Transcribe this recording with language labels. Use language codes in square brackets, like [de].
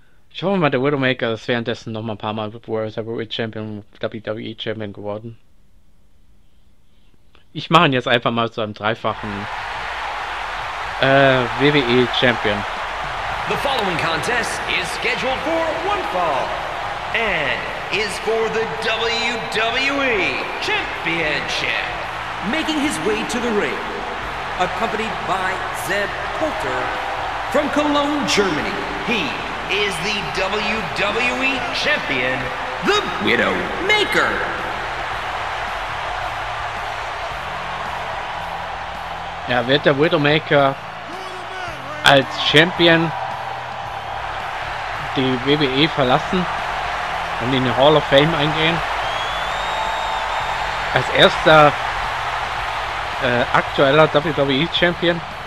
[de] Ich hoffe mal, der Widowmaker ist währenddessen noch mal ein paar Mal World Heavyweight Champion, WWE Champion geworden. Ich mache ihn jetzt einfach mal zu einem dreifachen WWE Champion. [en] The following contest is scheduled for one fall and is for the WWE Championship. Making his way to the ring, accompanied by Zeb Coulter from Cologne, Germany, he is the WWE Champion, the Widowmaker. [de] Ja, wird der Widowmaker als Champion die WWE verlassen und in die Hall of Fame eingehen? Als erster aktueller WWE Champion?